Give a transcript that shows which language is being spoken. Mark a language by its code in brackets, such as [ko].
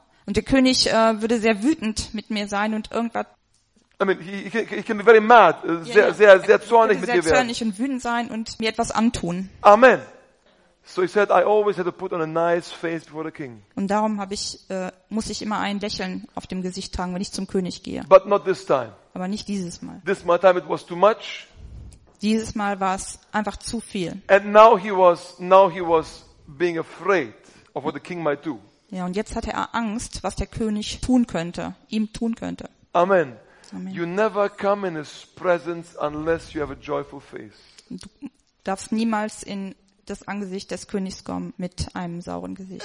[de] Und der König würde sehr wütend mit mir sein und irgendwas. [en] I mean, he can be very mad, [de] sehr zornig mit mir werden. Sehr zornig und wütend sein und mir etwas antun. Amen. [en] So he said, "I always had to put on a nice face before the king." [de] Und darum muss ich immer ein Lächeln auf dem Gesicht tragen, wenn ich zum König gehe. [en] But not this time. [de] Aber nicht dieses Mal. [en] This time it was too much. [de] Dieses Mal war es einfach zu viel. [en] And now he was being afraid of what the king might do. [de] Ja, und jetzt hatte er Angst, was der König ihm tun könnte. Amen. [en] You never come in his presence unless you have a joyful face. [de] Du darfst niemals in das Angesicht des Königs kommen mit einem sauren Gesicht.